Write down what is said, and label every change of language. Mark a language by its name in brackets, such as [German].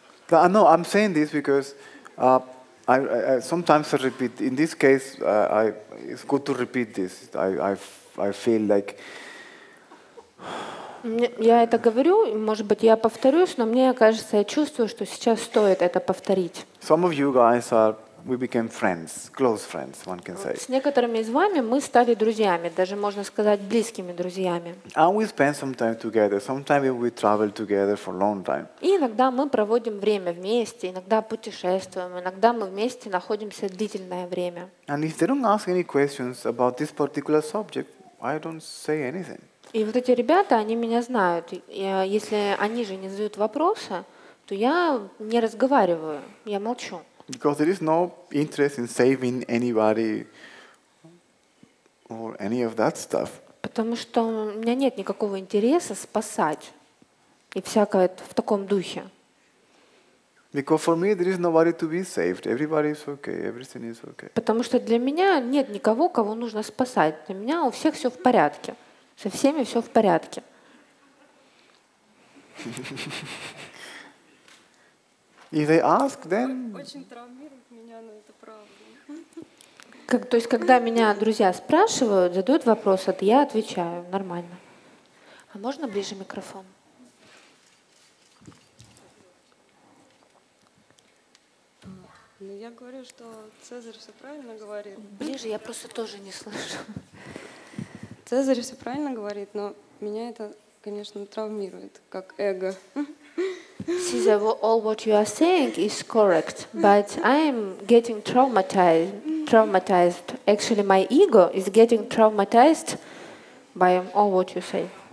[English] No, I'm saying this because I sometimes I repeat. In this case, it's good to repeat this. I feel like. [Russian] Я это говорю, может быть, я повторюсь, но мне кажется, я чувствую, что сейчас стоит это повторить. [English] Some of you guys are, we became friends, close friends, one can say. [Russian] С некоторыми из вами мы стали друзьями, даже можно сказать близкими друзьями. [English] And we spend some time together. Sometimes we travel together for long time. [Russian] И иногда мы проводим время вместе, иногда путешествуем, иногда мы вместе находимся длительное время. [English] And if they don't ask any questions about this particular subject, I don't say anything. [Russian] И вот эти ребята, они меня знают. Если они же не задают вопросы, то я не разговариваю, я молчу. [English] Because there is no interest in saving anybody or any of that stuff. [Russian] Потому что у меня нет никакого интереса спасать и всякое в таком духе. [English] Because for me there is nobody to be saved. Everybody is okay. Everything is okay. [Russian] Потому что для меня нет никого, кого нужно спасать. Для меня у всех все в порядке. Со всеми все в порядке. [English] If they ask, then... [Russian] Очень травмирует меня, но это правда. Как, то есть, когда меня друзья спрашивают, задают вопрос, это я отвечаю нормально. А можно ближе микрофон? Ну, я говорю, что Цезарь все правильно говорит. Ближе, я просто тоже не слышу. Цезарь все правильно говорит, но меня это, конечно, травмирует, как эго. [English] Сиза, all what you are saying is correct, but I am getting traumatized. Actually, my ego is getting traumatized by all what you say.